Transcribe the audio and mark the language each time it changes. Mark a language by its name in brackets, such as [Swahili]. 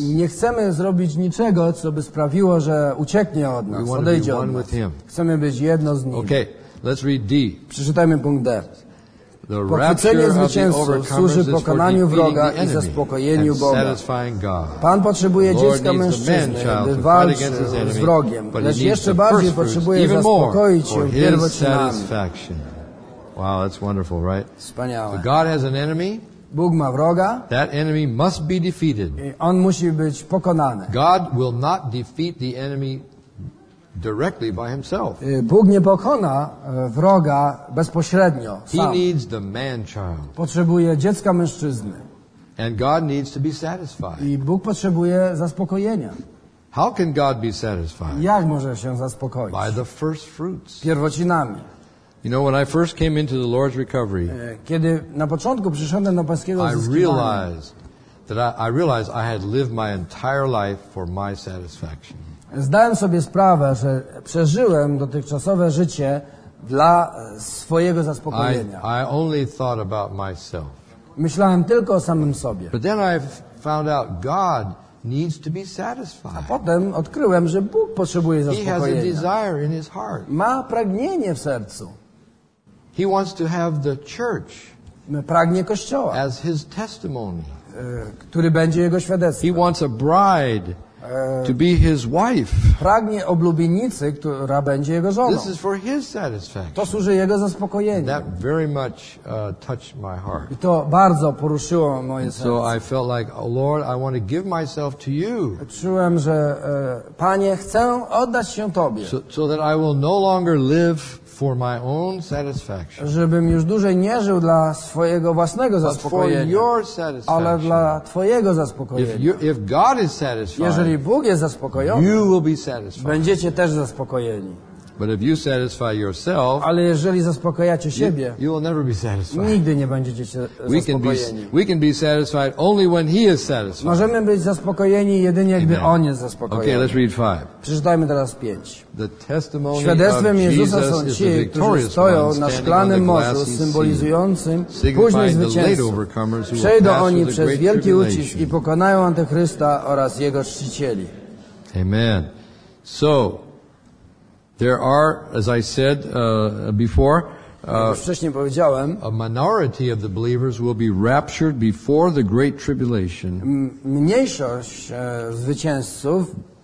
[Polish] Nie chcemy zrobić niczego, co by sprawiło, że ucieknie od nas, odejdzie od nas. Chcemy być jedno z nim. [English] Okay, let's read D. [Polish] Przeczytajmy punkt D. [English] The rapture of the overcomers is for defeating the enemy and satisfying God. [Polish] Pan potrzebuje dziecka mężczyzny, by walczyć z wrogiem, lecz jeszcze bardziej potrzebuje zaspokoić się pierwocinami. [English] Wow, that's wonderful, right? [Polish] Wspaniałe. [English] God has an enemy. [Polish] Bóg ma wroga. [English] That enemy must be defeated. [Polish] On musi być pokonany. [English] God will not defeat the enemy directly by himself. [Polish] Bóg nie pokona wroga bezpośrednio sam. [English] He needs the man child. [Polish] Potrzebuje dziecka mężczyzny. [English] And God needs to be satisfied. [Polish] I Bóg potrzebuje zaspokojenia. [English] How can God be satisfied? [Polish] Jak może się zaspokoić? [English] By the first fruits. [Polish] Pierwocinami. [English] You know, when I first came into the Lord's recovery, [Polish] kiedy na początku przyszedłem do Pańskiego zyskiwania, [English] I realized I had lived my entire life for my satisfaction. [Polish] Zdałem sobie sprawę, że przeżyłem dotychczasowe życie dla swojego zaspokojenia. [English] I only thought about myself. [Polish] Myślałem tylko o samym sobie. [English] But then I found out God needs to be satisfied. [Polish] A potem odkryłem, że Bóg potrzebuje zaspokojenia. [English] He has a desire in his heart. [Polish] Ma pragnienie w sercu. [English] He wants to have the church. [Polish] Pragnie Kościoła. [English] As his testimony. [Polish] Który będzie jego świadectwem. [English] He wants a bride. To be his wife. [Polish] Pragnie oblubienicy, która będzie jego żoną. [English] This is for his satisfaction. [Polish] To służy jego zaspokojeniu. [English] That very much touched my heart. [Polish] I to bardzo poruszyło moje serce. [English] So I felt like, oh Lord, I want to give myself to you. [Polish] Czułem, że Panie, chcę oddać się Tobie. [English] So that I will no longer live for my own satisfaction. [Polish] Żebym już dłużej nie żył dla swojego własnego zaspokojenia. [English] But for your satisfaction. [Polish] Ale dla twojego zaspokojenia. [English] If God is satisfied. [Polish] Jeżeli Bóg jest zaspokojony, [English] you will be satisfied. [Polish] Będziecie też zaspokojeni. [English] But if you satisfy yourself, [Polish] ale jeżeli zaspokajacie siebie, [English] you will never be satisfied. [Polish] Nigdy nie będziecie zaspokojeni. [English] We can be satisfied only when he is satisfied. [Polish] Możemy być zaspokojeni jedynie, gdy Amen. On jest zaspokojony. [English] Okay, let's read 5. [Polish] Przeczytajmy teraz 5. [English] The testimony [Polish] świadectwem [English] of [Polish] Jezusa [English] Jesus [Polish] są ci, którzy stoją na szklanym mostu, symbolizującym późny zwycięstwo. Przejdą oni przez wielki ucisk i pokonają Antychrysta oraz jego czcicieli. Amen. [English] So, there are, as I said before, a minority of the believers will be raptured before the great tribulation. [Polish] Mniejszość zwycięzców